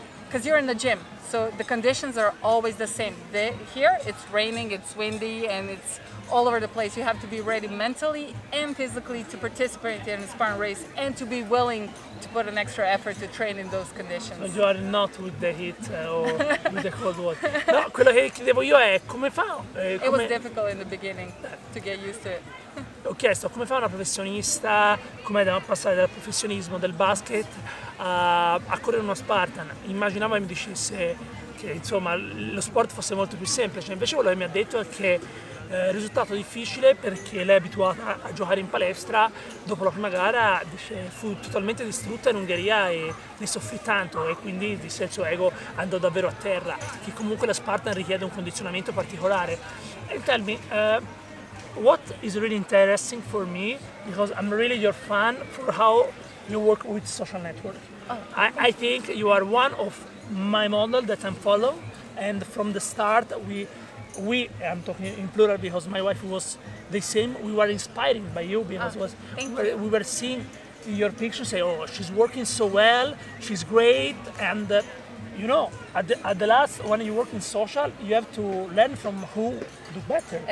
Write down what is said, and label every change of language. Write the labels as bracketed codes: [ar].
[en] because you're in the gym, so the conditions are always the same. Here it's raining, it's windy, and it's all over the place. You have to be ready mentally and physically to participate in a Spartan race and to be willing to put an extra effort to train in those conditions. So you are not with the heat or with the cold water. [it] No, quello che chiedevo io è come fa? [en] It was difficult in the beginning to get used to it. [it] Ho chiesto come fa una professionista, come da passare dal professionismo del basket a correre uno Spartan. Immaginavo che mi dicesse che insomma lo sport fosse molto più semplice, invece quello che mi ha detto è che risultato difficile perché lei è abituata a giocare in palestra, dopo la prima gara dice, fu totalmente distrutta in Ungheria e ne soffrì tanto e quindi disse il suo ego andò davvero a terra, che comunque la Spartan richiede un condizionamento particolare. [en] And tell me, what is really interesting for me, because I'm really your fan for how you work with social network. I think you are one of my model that I'm following, and from the start we I'm talking in plural because my wife was the same, we were inspired by you because we were seeing your picture, say, oh, she's working so well, she's great, and you know, at the last, when you work in social, you have to learn from who do better.